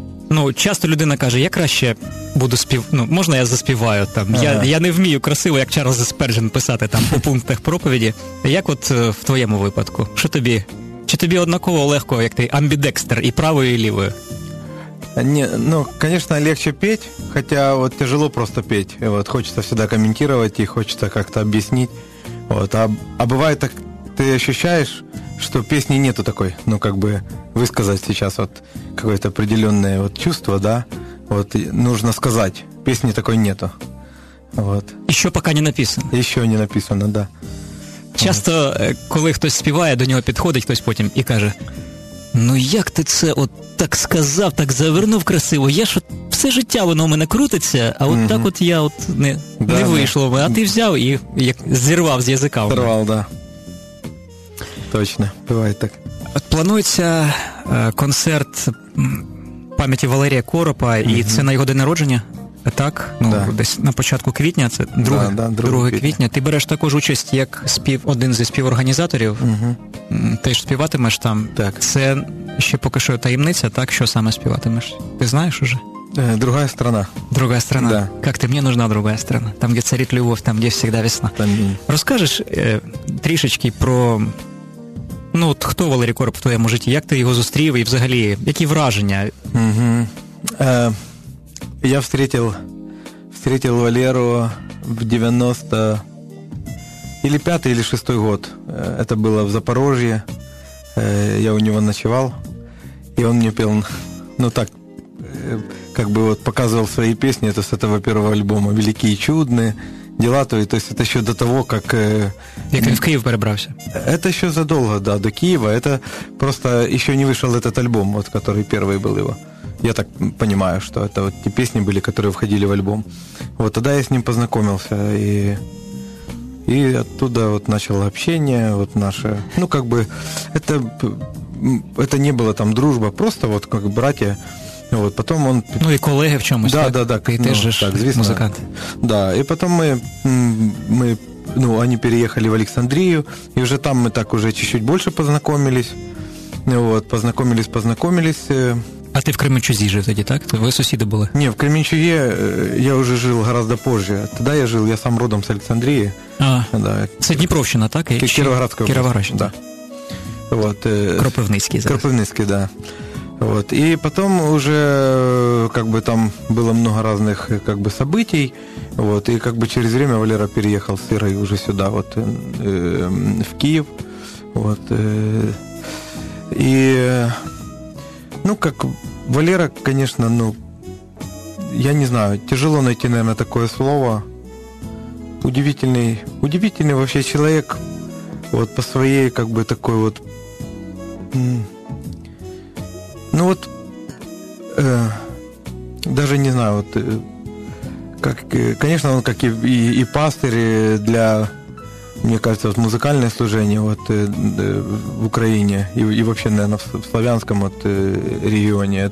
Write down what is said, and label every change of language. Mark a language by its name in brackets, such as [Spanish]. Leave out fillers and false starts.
[Ukrainian] Ну, часто людина каже, я краще буду співати, ну, можна я заспіваю там, я не вмію красиво, як Чарльз Сперджен, писати там по пунктах проповіді. Як от в твоєму випадку? Що тобі? Чи тобі однаково легко, як ти амбідекстер і правою, і лівою? [Russian] Не, ну, конечно, легче петь, хотя вот тяжело просто петь. Вот хочется всегда комментировать и хочется как-то объяснить. Вот, а бывает так, ты ощущаешь, что песни нету такой, ну, как бы высказать сейчас вот какое-то определенное вот чувство, да? Вот нужно сказать, песни такой нету. Вот. Еще пока не написано. Еще не написано, да. [Ukrainian] Часто, коли хтось співає, до нього підходить хтось потім і каже: «Ну як ти це от так сказав, так завернув красиво, я ж от все життя воно в мене крутиться, а от так от я от не вийшло, а ти взяв і як зірвав з язика». Зірвав, да. Точно, буває так. От планується концерт пам'яті Валерія Коропа, і це на його день народження? Так? Ну, десь на початку квітня, це 2 квітня. Ти береш також участь як один зі співорганізаторів. Ти ж співатимеш там. Так. Це ще поки що таємниця, так? Що саме співатимеш? Ти знаєш уже? [Russian] Другая страна. Другая страна. Да. Как ты? Мне нужна другая страна. Там, где царит любовь, там, где всегда весна. Там... [Ukrainian] Розкажешь трішечки про... Ну, от хто Валерій Короб в твоєму житті? Як ти його зустрів і взагалі? Які враження? [Russian] Я встретил Валеру в 95-й или 96-й год. Это было в Запорожье. Я у него ночевал. И он мне пел, ну так, как бы вот показывал свои песни, это с этого первого альбома «Великие и чудные дела». То есть это еще до того, как... Как он в Киев перебрался? Это еще задолго, да, до Киева. Это просто еще не вышел этот альбом, вот который первый был его. Я так понимаю, что это вот те песни были, которые входили в альбом. Вот тогда я с ним познакомился, и оттуда вот начало общение вот наше. Ну, как бы, это не было там дружба, просто вот как братья. Вот, потом он... Ну, и коллеги в чем-то. Да, да, да. И ты же музыкант. Да, и потом мы, ну, они переехали в Александрию, и уже там мы так уже чуть-чуть больше познакомились. Вот, познакомились... [Ukrainian] А ти в Кременчузі жив тоді, так? Ви сусіди були? Ні, в Кременчузі я вже жив [Russian] гораздо позже. [Ukrainian] Тоді я жив, я сам родом з Александрії. А, да. Це Дніпровщина, так? Кіровоградська область. Кіровоградщина, [Russian] да. Вот, [Ukrainian] Кропивницький зараз. [Russian] Кропивницький, да. Вот. [Ukrainian] І потім вже как бы, там було багато різних как бы, [Russian] событий. [Ukrainian] Вот. І как бы, через час Валера переїхав з Ірою вже сюди, вот, в Київ. Вот. І... [Russian] Ну, как Валера, конечно, ну, я не знаю, тяжело найти, наверное, такое слово. Удивительный вообще человек, вот, по своей, как бы, такой вот, ну, вот, даже не знаю, вот, как, конечно, он, как и пастырь для, мне кажется, вот, музыкальное служение вот, в Украине и вообще, наверное, в славянском вот, регионе.